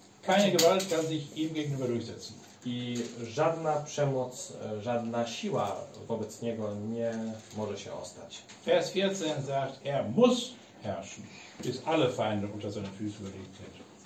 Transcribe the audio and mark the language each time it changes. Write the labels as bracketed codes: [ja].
[de] Keine Gewalt kann sich ihm gegenüber durchsetzen. [pl] I żadna przemoc, żadna siła wobec niego nie może się ostać. [de] Vers 14 sagt, er muss herrschen, bis alle Feinde unter seinen Füßen gelegt sind.